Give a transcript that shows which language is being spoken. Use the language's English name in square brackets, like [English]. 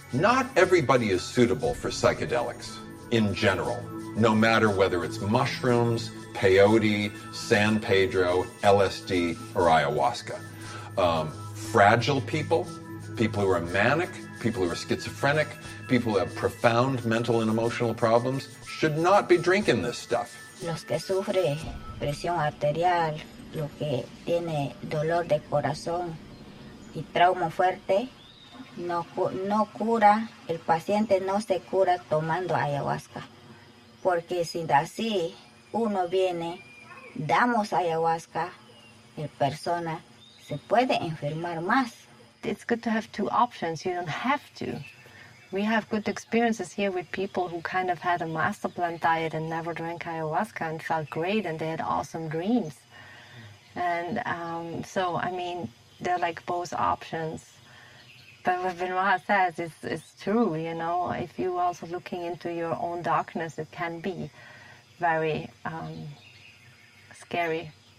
[English] Not everybody is suitable for psychedelics in general, no matter whether it's mushrooms, peyote, San Pedro, LSD, or ayahuasca. Fragile people who are manic, people who are schizophrenic, people who have profound mental and emotional problems, should not be drinking this stuff. [Spanish] Los que sufren presión arterial, los que tienen dolor de corazón y trauma fuerte, no cura, el paciente no se cura tomando ayahuasca. Porque si así uno viene, damos ayahuasca, el persona se puede enfermar más. [English] It's good to have two options. You don't have to. We have good experiences here with people who kind of had a master plan diet and never drank ayahuasca and felt great and they had awesome dreams. And they're like both options. But what Benoit says is true, you know. If you also looking into your own darkness, it can be very scary.